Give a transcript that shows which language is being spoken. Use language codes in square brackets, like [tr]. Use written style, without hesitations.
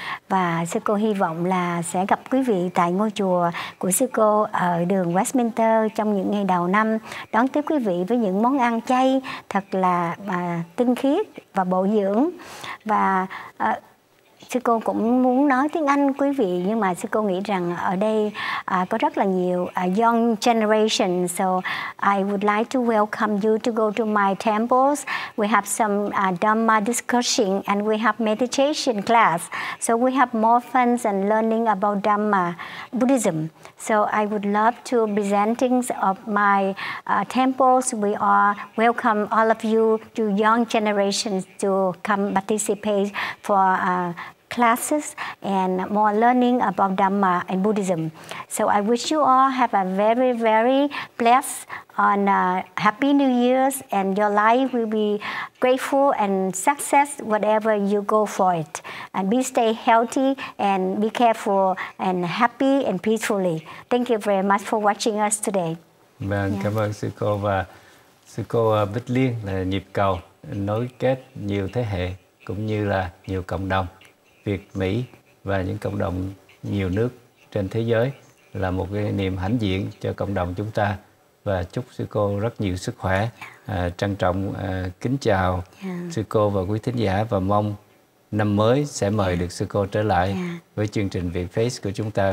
[vi] Và sư cô hy vọng là sẽ gặp quý vị tại ngôi chùa của sư cô ở đường Westminster trong những ngày đầu năm, đón tiếp quý vị với những món ăn chay thật là tinh khiết và bổ dưỡng. Và sư cô cũng muốn nói tiếng Anh quý vị, nhưng mà sư cô nghĩ rằng ở đây có rất là nhiều [en] young generation, so I would like to welcome you to go to my temples. We have some Dhamma discussion and we have meditation class, so we have more fun and learning about Dhamma Buddhism. So I would love to presenting of my temples. We are welcome all of you to young generations to come participate for classes and more learning about Dhamma and Buddhism. So I wish you all have a very, very blessed on Happy New Year's, and your life will be grateful and success whatever you go for it. And be stay healthy and be careful and happy and peacefully. Thank you very much for watching us today. [vi] Vâng, cảm ơn sư cô. Và sư cô Bích Liên là nhịp cầu nối kết nhiều thế hệ cũng như là nhiều cộng đồng Việt Mỹ và những cộng đồng nhiều nước trên thế giới, là một cái niềm hãnh diện cho cộng đồng chúng ta. Và chúc sư cô rất nhiều sức khỏe. Trân trọng kính chào sư cô và quý thính giả, và mong năm mới sẽ mời được sư cô trở lại với chương trình Việt Face của chúng ta.